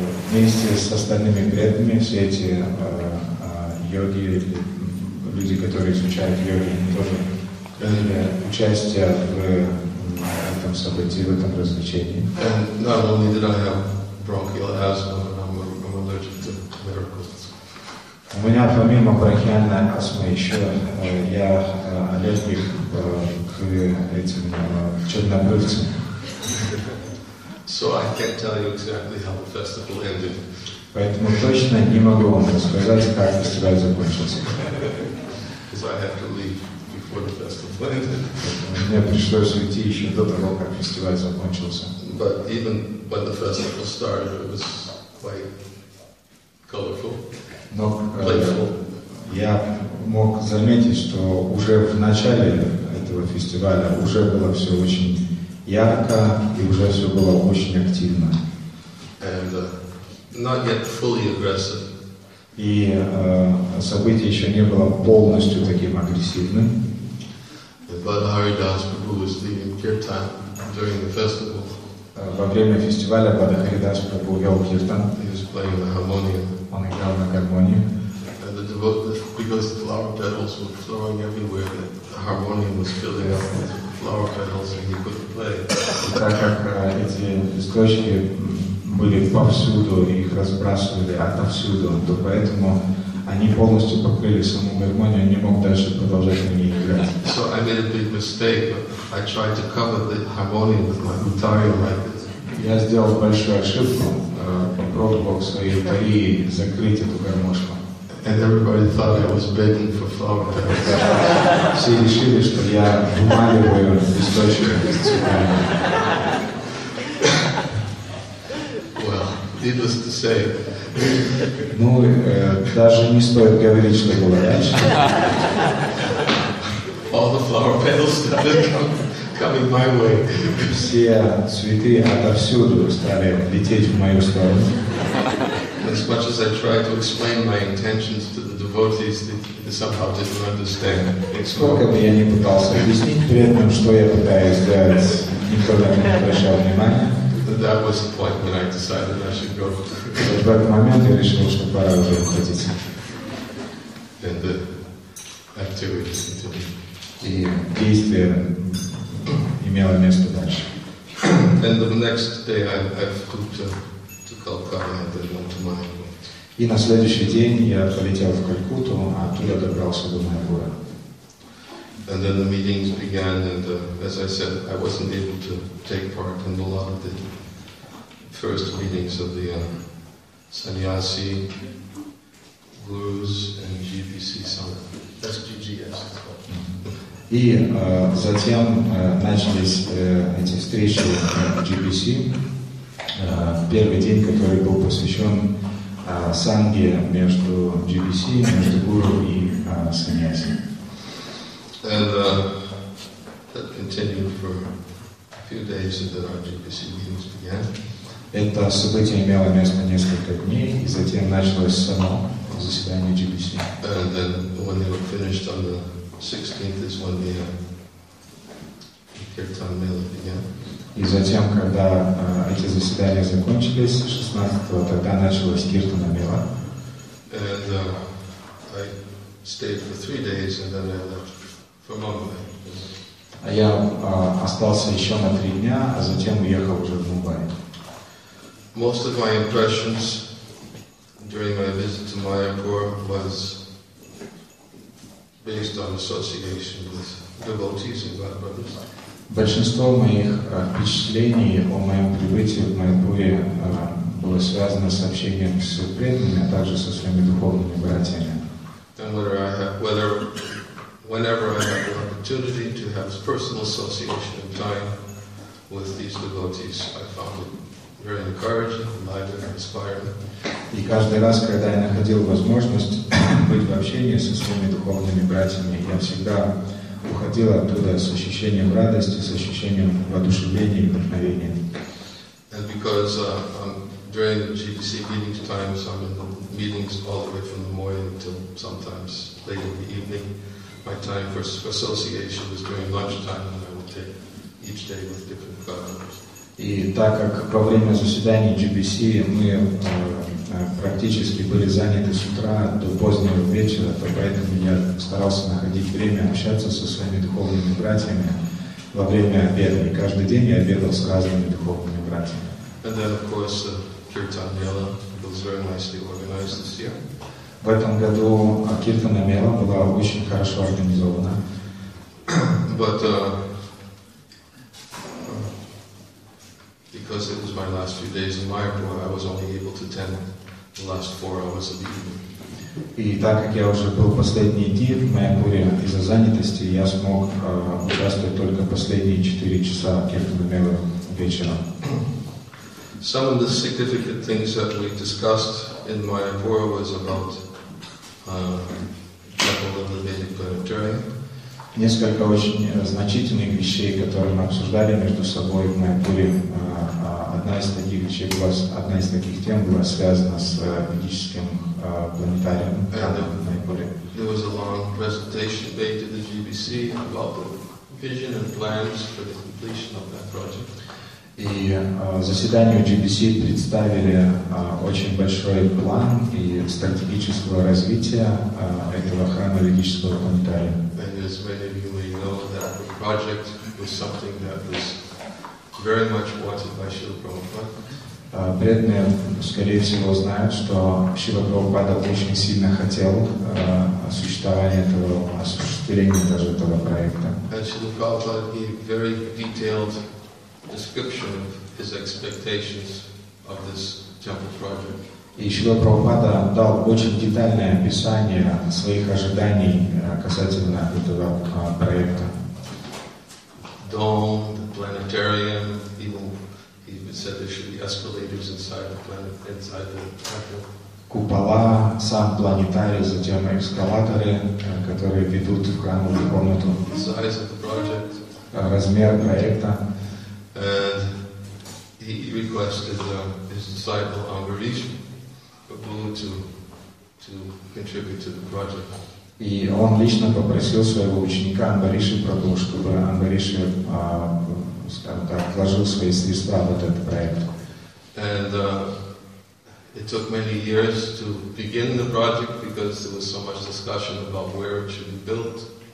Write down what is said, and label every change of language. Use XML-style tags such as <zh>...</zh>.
<ru>Вместе с остальными преданными все эти йоги, люди, которые изучают йоги, тоже приняли участие в этом событии, в этом развлечении.</ru> <en>And not only did I have bronchial asthma, but I'm allergic to miracles.</en> <ru>У меня помимо бронхиальной астмы еще я аллергик к этим чернобрывцам.</ru> <en>So I can't tell you exactly how the festival ended.</en> <ru>Поэтому точно не могу вам рассказать, как фестиваль закончился.</ru> <en>Because I have to leave before the festival ended.</en> <ru>Мне пришлось уйти еще до того, как фестиваль закончился.</ru> <en>But even when the festival started, it was quite colorful.</en> <ru>Но я мог заметить, что уже в начале этого фестиваля уже было все очень ярко и уже все было очень активно.</ru> <en>And, not yet fully aggressive.</en> <ru>И событие еще не было полностью таким агрессивным.</ru> <en>But Haridas Prabhu was leading kirtan during the festival.</en> <ru>Во время фестиваля Бадха Харидас Прабху вел киртан.</ru> <en>He was playing the harmonium.</en> <ru>Он играл на гармонии.</ru> <en>And the devotees, because the flower petals were flowing everywhere, the harmonium was filling up with flower petals, and he couldn't play.</en> <ru>И так как эти листочки были повсюду, и их разбрасывали отовсюду, то поэтому они полностью покрыли саму гармонию, не мог дальше продолжать на ней играть. играть.</ru> <en>So I made a big mistake. I tried to cover the harmonium with my guitar like this.</en> <ru>Я сделал большую ошибку, попробовал свою гитару закрыть эту гармошку.</ru> <en>And everybody thought I was begging for flower petals.</en> <ru>Все решили, что я умоляю источник цветами.</ru> <en>Well, needless to say.</en> <ru>Ну, даже не стоит говорить, что было раньше.</ru> <en>All the flower petals started coming my way.</en> <ru>Все цветы отовсюду стали лететь в мою сторону.</ru> <en>As much as I tried to explain my intentions to the devotees, they somehow didn't understand.</en> <ru>Сколько бы я ни пытался объяснить преданным, что я пытаюсь сделать, никто на меня не обращал внимания.</ru> <en>That was the point when I decided I should go.</en> <ru>В этот момент я решил, что пора уже уходить.</ru> <en>And the activity continued.</en> <ru>И действие имело место дальше.</ru> <en>And the next day I flew to Calcutta and then went to Mayapur.</en> <ru>И на следующий день я полетел в Калькутту, а оттуда добрался до Майпура.</ru> <en>And then the meetings began, and as I said, I wasn't able to take part in a lot of the first meetings of the Sannyasi Gurus and GPC Sangha. SGGS.</en> <ru>И затем начались эти встречи GPC. Первый день, который был посвящен санге между GPC, между гуру и саньяси.</ru> <en>And that continued for a few days, and then our GPC meetings began.</en> <ru>Это событие имело место несколько дней, и затем началось само заседание GPC.</ru> <en>And then when they were finished on the 16th, is when the Kirtan Mela began.</en> <ru>И затем, когда эти заседания закончились, 16-го, тогда началась Киртана Мела.</ru> <en>And I stayed for 3 days, and then I left for Mumbai.</en> <ru>А я остался еще на 3 дня, а затем уехал уже в Мумбаи.</ru> <en>Most of my impressions during my visit to Mayapur was based on association with devotees and god brothers.</en> <ru>Большинство моих впечатлений о моем прибытии в Майпуре было связано с общением с преданными, а также со своими духовными братьями.</ru> <en>Whenever I have the opportunity to have personal association and time with these devotees, I found it very encouraging, lively, and inspiring.</en> <ru>И каждый раз, когда я находил возможность быть в общении со своими духовными братьями, я всегда уходил оттуда с ощущением радости, с ощущением воодушевления и вдохновения.</ru> <en>And because during GPC meetings times, I'm in the meetings all the way from the morning till sometimes late in the evening. My time for association is during lunchtime, and I will take each day with different governors.</en> <ru>И так как во время заседаний GPC мы практически были заняты с утра до позднего вечера, то поэтому я старался находить время общаться со своими духовными братьями во время обеда. И каждый день я обедал с разными духовными братьями.</ru> <en>And then, of course, Kirtan Mela was very nicely organized this year.</en> <ru>В этом году Kirtana Mela была очень хорошо организована.</ru> <en>But because it was my last few days in Mayapur, I was only able to attend the last 4 hours of the evening.</en> <ru>И так как я уже был последний день в Майапуре из-за занятости, я смог участвовать только последние 4 часа Kirtana Mela вечером.</ru> <en>Some of the significant things that we discussed in Mayapur was about the Vedic planetarium.</en> <ru>Несколько очень значительных вещей, которые мы обсуждали между собой в Майапуре. Одна из таких тем была связана с ведическим планетарием в Майапуре.</ru> <en>There was a long presentation made to the GBC about the vision and plans for the completion of that project.</en> <ru>И заседание GBC представили очень большой план и стратегического развития этого храма ведического планетария.</ru> <en>And as many of you may know, that the project was something that was very much wanted by Śrīla Prabhupāda.</en> <ru>Преданные, скорее всего, знают, что Шрила Прабхупада очень сильно хотел осуществления даже этого проекта.</ru> <en>And Shrila Prabhupada gave a very detailed description of his expectations of this temple project.</en> <ru>И Шрила Прабхупада дал очень детальное описание своих ожиданий касательно этого проекта.</ru> <en>Dome, the planetarium, he said there should be escalators inside the planet, inside the temple.</en> <ru>Купола, сам планетарий, затем эскалаторы, которые ведут в храмовую комнату.</ru> <en>The size of the project.</en> <ru>Размер проекта.</ru> <en>And he requested his disciple Angarish Babu to contribute to the project.</en> <ru>И он лично попросил своего ученика Ангариши Прабу, чтобы Ангариши, скажем так, вложил свои средства в этот проект.</ru> <en>And it took many years to begin the project because there was so much discussion about where it should be built.</en>